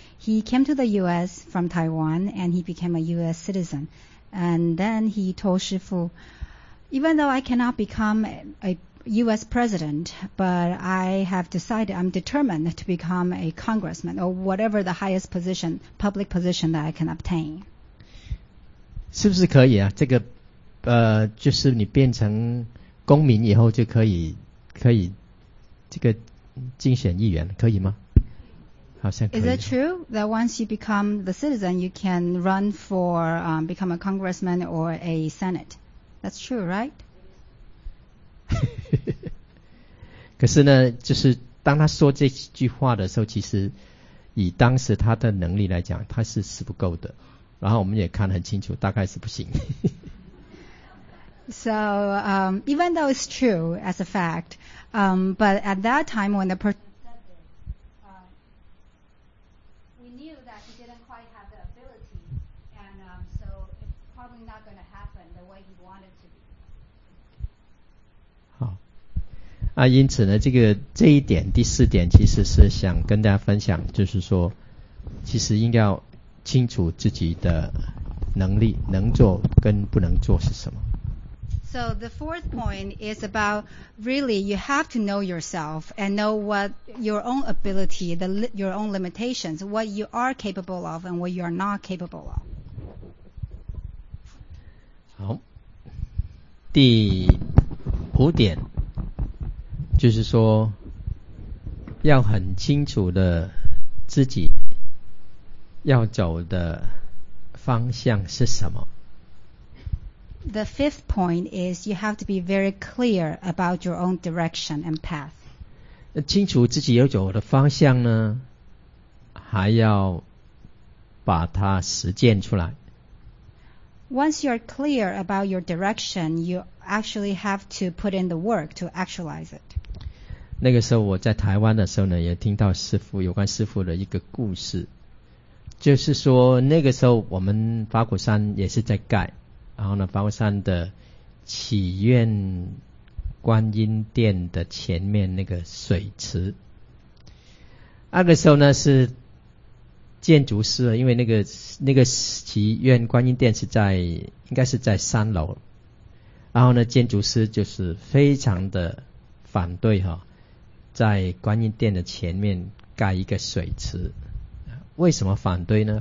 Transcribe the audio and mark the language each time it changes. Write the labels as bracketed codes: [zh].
[en] He came to the U.S. from Taiwan and he became a U.S. citizen. And then he told Shi Fu, even though I cannot become a U.S. president, but I have decided, I'm determined to become a congressman or whatever the highest position, public position that I can obtain. [zh] 是不是可以啊？这个，就是你变成公民以后就可以这个竞选议员，可以吗？好像可以。 [en] Is it true that once you become the citizen, you can run for become a congressman or a senate? That's true, right? [zh] 可是呢，就是当他说这句话的时候，其实以当时他的能力来讲，他是不够的。然后我们也看得很清楚，大概是不行。 [en] So, even though it's true as a fact, but at that time when the person said this, we knew that he didn't quite have the ability, and so it's probably not going to happen the way he wanted to be. [zh] 好，啊，因此呢，这一点第四点其实是想跟大家分享，就是说，其实应该要清楚自己的能力，能做跟不能做是什么。 [en] So the fourth point is about really you have to know yourself and know what your own ability, your own limitations, what you are capable of and what you are not capable of. [zh] 好，第五点就是说要很清楚的自己要走的方向是什么。 [en] The fifth point is you have to be very clear about your own direction and path. [zh] 清楚自己要走的方向呢，还要把它实践出来。 [en] Once you are clear about your direction, you actually have to put in the work to actualize it. [zh] 那个时候我在台湾的时候呢，也听到师父有关师父的一个故事，就是说那个时候我们法鼓山也是在盖。然后呢，包山的祈愿观音殿的前面那个水池，那个时候呢是建筑师，因为那个祈愿观音殿应该是在三楼，然后呢建筑师就是非常的反对哈，在观音殿的前面盖一个水池，为什么反对呢？